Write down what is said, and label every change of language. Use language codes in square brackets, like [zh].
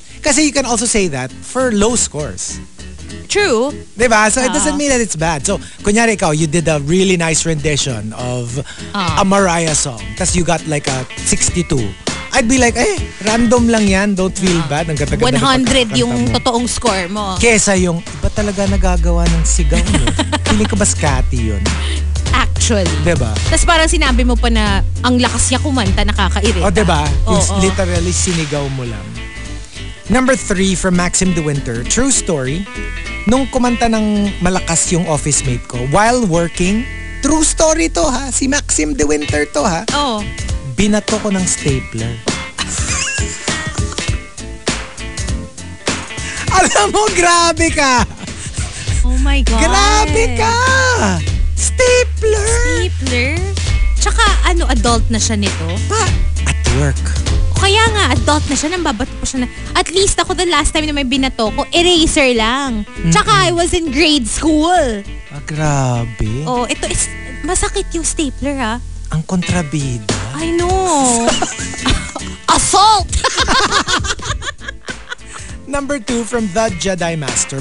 [en] Kasi you can also say that for low scores. True. [tl] Diba? [en] So it doesn't mean that it's bad. So [tl] kunyari ikaw, [en] you did a really nice rendition of a Mariah song. Tapos you got like a 62. I'd be like, eh, random lang yan. Don't feel bad. Ang [tl] 100 yung totoong score mo. Kesa yung, iba talaga nagagawa ng sigaw mo. Feeling ko ba scatty yun? [en] Actually. [tl] Diba? Tapos parang sinabi mo pa na, ang lakas niya kumanta, nakakairita. [en] O, oh, diba? Literally [tl] sinigaw mo lang. [en] Number 3 from Maxim De Winter. True story, [tl] nung kumanta ng malakas yung office mate ko, [en] while working, [tl] true story to ha, si Maxim De Winter to ha. Oo. Oh. Binato ko ng stapler. Alam mo, grabe ka! [en] Oh my God! [tl] Grabe ka! Stapler! Stapler? Tsaka, ano, adult na siya nito? Pa, at work. O kaya nga, adult na siya, nang babato ko siya na. At least ako, the last time na may binato ko, eraser lang. [en] Tsaka, I was in grade school. [tl] Ah, grabe. Oh, ito, is masakit yung stapler, ha? Ang kontrabida. [en] I know. Assault! Number 2 from The Jedi Master.